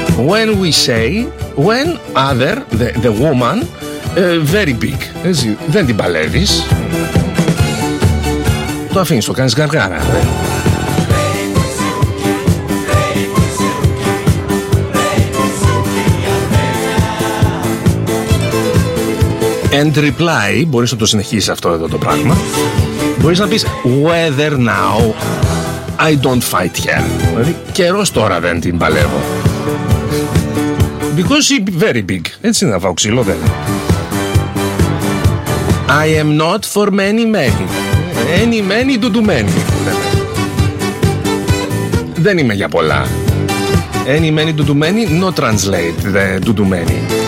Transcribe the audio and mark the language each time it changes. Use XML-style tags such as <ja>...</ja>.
<en>When we say, when other, the woman, very big.</en> <el>Έτσι. Δεν την παλεύεις. Το αφήνεις, το κάνεις γαργάρα.</el> <en>And reply,</en> <el>μπορείς να το συνεχίσεις αυτό εδώ το πράγμα. Μπορείς να πεις</el> <en>weather now, I don't fight her.</en> <el>Δηλαδή, καιρός τώρα δεν την παλεύω.</el> <en>Because she's very big.</en> <el>Έτσι είναι να φάω ξύλο, δεν είναι.</el> <en>I am not for many men. Any many do many.</en> <el>Δεν είμαι για πολλά.</el> <en>Any many do many, no translate the do many.</en>